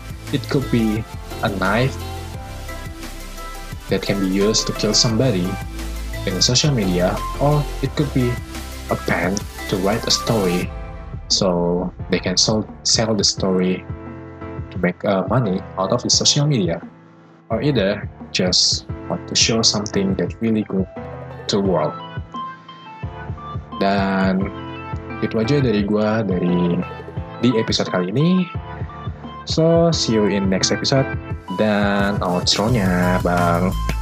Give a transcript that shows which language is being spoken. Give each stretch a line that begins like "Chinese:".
English: It could be a knife that can be used to kill somebody in social media, or it could be a pen to write a story so they can sell the story to make money out of the social media, or either just want to show something that really good to the world.
Indonesian: Dan itu aja dari gua dari di episode kali ini.
English: So, see you in next episode.
Indonesian: Dan outro-nya, bang.